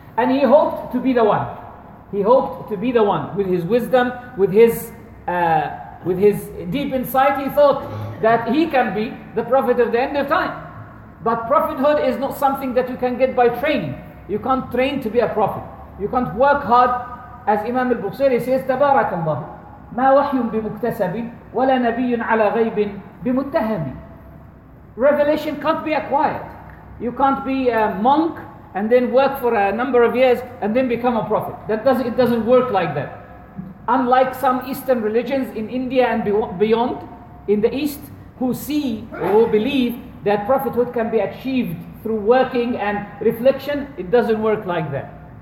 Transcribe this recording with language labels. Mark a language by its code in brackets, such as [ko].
[en] And he hoped to be the one. He hoped to be the one with his wisdom, with his deep insight. He thought that he can be the prophet of the end of time. But prophethood is not something that you can get by training. You can't train to be a prophet. You can't work hard. As Imam al-Busiri says, [ar] تبارك الله ما وحي بمكتسب ولا نبي على غيب بمتهم. [en] Revelation can't be acquired. You can't be a monk and then work for a number of years and then become a prophet. It doesn't work like that. Unlike some Eastern religions in India and beyond, in the East, who see or believe that prophethood can be achieved through working and reflection, it doesn't work like that.